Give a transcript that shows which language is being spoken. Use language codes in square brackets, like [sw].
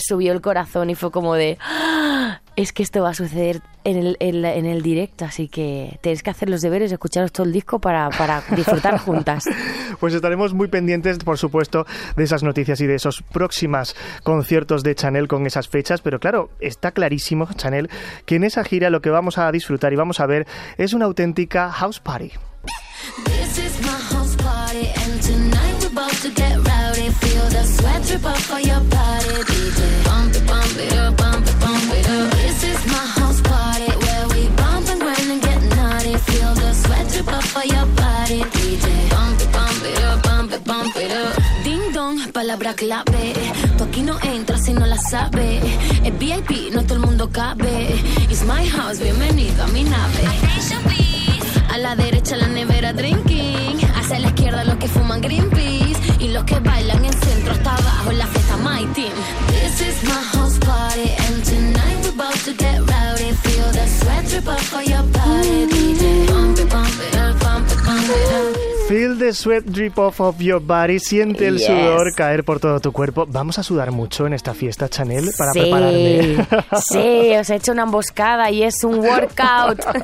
[es] subió el corazón y fue como de... Es que esto va a suceder en el directo, así que tenéis que hacer los deberes, escucharos todo el disco para disfrutar juntas. Pues estaremos muy pendientes, por supuesto, de esas noticias y de esos próximos conciertos de Chanel con esas fechas. Pero claro, está clarísimo, Chanel, que en esa gira lo que vamos a disfrutar y vamos a ver es una auténtica house party. [en] This is my house party, and tonight we're about to get rowdy. Feel the sweat drip off of your body, DJ. Bump it, bump it up, bump it, bump it up. This is my house party, where we bump and grind and get naughty. Feel the sweat drip off of your body, DJ. Bump it, bump it up, bump it, bump it up. [es] Ding dong, palabra clave. Tú aquí no entras si no la sabes. Es VIP, no todo el mundo cabe. [en] It's my house, [es] bienvenido a mi nave. A la derecha la nevera drinking, hacia la izquierda los que fuman Greenpeace, y los que bailan en centro hasta abajo, la fiesta [en] my team. This is my house party, and tonight we're about to get rowdy. Feel the sweat drip off of your body, DJ. Bump it, bump it up, bump it, bump it up. Feel the sweat drip off of your body. [es] Siente el sudor caer por todo tu cuerpo. Vamos a sudar mucho en esta fiesta, Chanel, para prepararme. Sí, os he hecho una emboscada y es un workout.